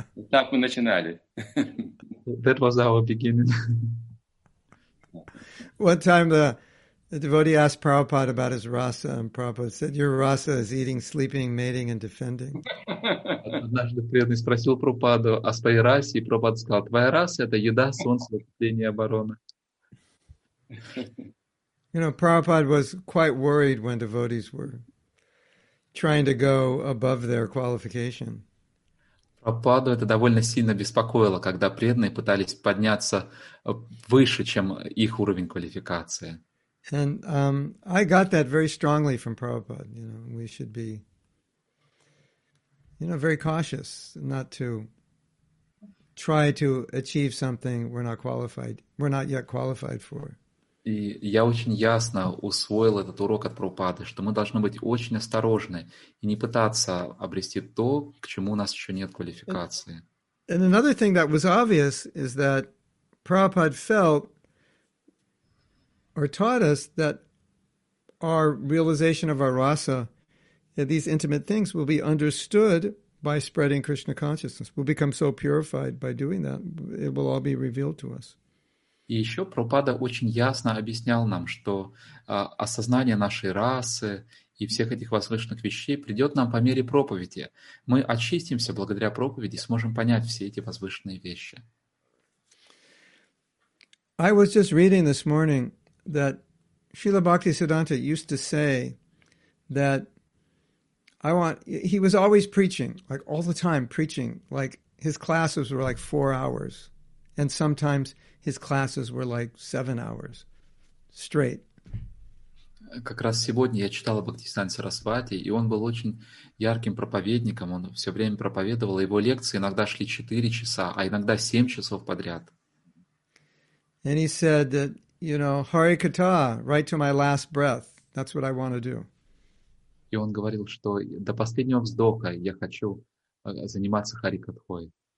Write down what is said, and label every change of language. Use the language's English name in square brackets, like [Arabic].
[Russian] Так мы начинали. [English] That was our beginning. One time the devotee asked Prabhupada about his rasa, and Prabhupada said, "Your rasa is eating, sleeping, mating, and defending." [Russian] Однажды преданный спросил Прабхупаду о своей расе, и Прабхупада сказал, "Твоя раса — это еда, солнце, спасение, оборона." [English] You know, Prabhupada was quite worried when devotees were trying to go above their qualification. [Russian] Прабхупаду это довольно сильно беспокоило, когда преданные пытались подняться выше, чем их уровень квалификации. [English] And I got that very strongly from Prabhupada. You know, we should be, you know, very cautious not to try to achieve something we're not yet qualified for. [Russian] И я очень ясно усвоил этот урок от Прабхупады, что мы должны быть очень осторожны и не пытаться обрести то, к чему у нас еще нет квалификации. [English] And another thing that was obvious is that Prabhupada felt or taught us that our realization of our rasa, these intimate things, will be understood by spreading Krishna consciousness. We'll become so purified by doing that, it will all be revealed to us. [Russian] И еще Прабхупада очень ясно объяснял нам, что осознание нашей расы и всех этих возвышенных вещей придет нам по мере проповеди. Мы очистимся благодаря проповеди, сможем понять все эти возвышенные вещи. [English] I was just reading this morning that Srila Bhaktisiddhanta used to say that I want, he was always preaching, like all the time preaching, like his classes were like 4 hours, and sometimes his classes were like 7 hours straight. [Russian] Как раз сегодня я читал Бхактисиддханта Сарасвати, и он был очень ярким проповедником, он все время проповедовал, его лекции иногда шли 4 часа, а иногда 7 часов подряд. [English] And he said that, you know, Hare Kata, right to my last breath, that's what I want to do. [Russian] И он говорил, что до последнего вздоха я хочу заниматься харикатхой.